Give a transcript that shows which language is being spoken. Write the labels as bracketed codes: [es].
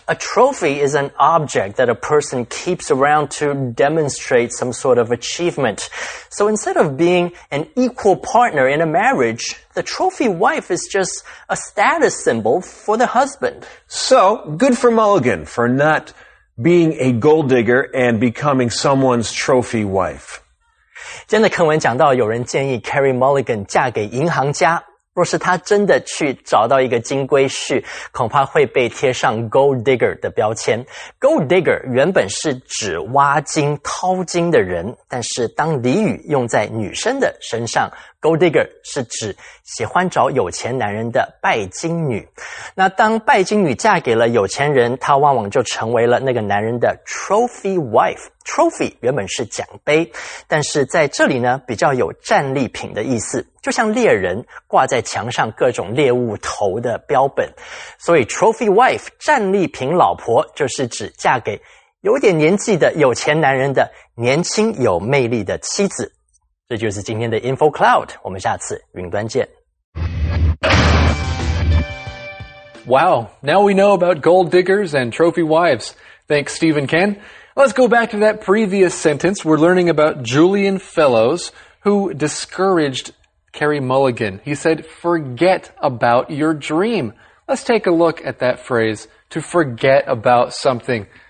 [en] A trophy is an object that a person keeps around to demonstrate some sort of achievement. So instead of being an equal partner in a marriage, the trophy wife is just a status symbol for the husband. So, good for Mulligan for not being a gold digger and becoming someone's trophy wife. [zh] 真的，课文讲到有人建议 Carey Mulligan 嫁给银行家。若是他真的去找到一个金龟婿，恐怕会被贴上 gold digger 的标签。Gold digger 原本是指挖金掏金的人，但是当俚语用在女生的身上，gold digger 是指喜欢找有钱男人的拜金女。那当拜金女嫁给了有钱人，她往往就成为了那个男人的 trophy wife。 Trophy 原本是奖杯，但是在这里呢，比较有战利品的意思，就像猎人挂在墙上各种猎物头的标本。所以 Trophy Wife 战利品老婆，就是指嫁给有点年纪的有钱男人的年轻有魅力的妻子。这就是今天的 Info Cloud，我们下次云端见。 [en] Wow, now we know about gold diggers and trophy wives. Thanks, Steve and Ken. Let's go back to that previous sentence. We're learning about Julian Fellowes, who discouraged Carey Mulligan. He said, forget about your dream. Let's take a look at that phrase, to forget about something.